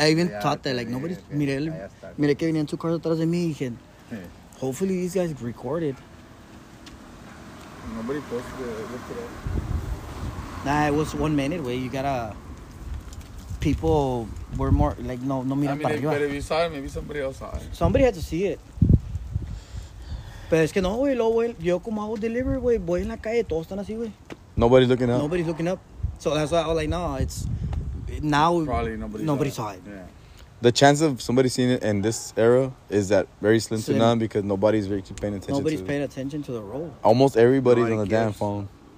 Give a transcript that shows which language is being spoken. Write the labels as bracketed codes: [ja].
[en] I even thought that, like, nobody's [es] mire que venían [en] 2 cars [es] atrás de mí, dije, [en] hopefully these guys recorded. Nobody posted it. Nah, it was 1 minute, wait, you gotta. People were more like, [es] no miran para arriba. [en] But if you saw it, maybe somebody else saw it. Somebody had to see it. [es] Pero es que no, güey, yo como hago delivery, güey, voy en la calle, todos están así, güey. [en] Nobody's looking up. Nobody's looking up. So that's why I was like, no, it's now. Probably nobody saw it. Yeah. The chance of somebody seeing it in this era is that very slim to none, because nobody's really paying attention to it. Nobody's paying attention to the role. Almost everybody's on the damn phone.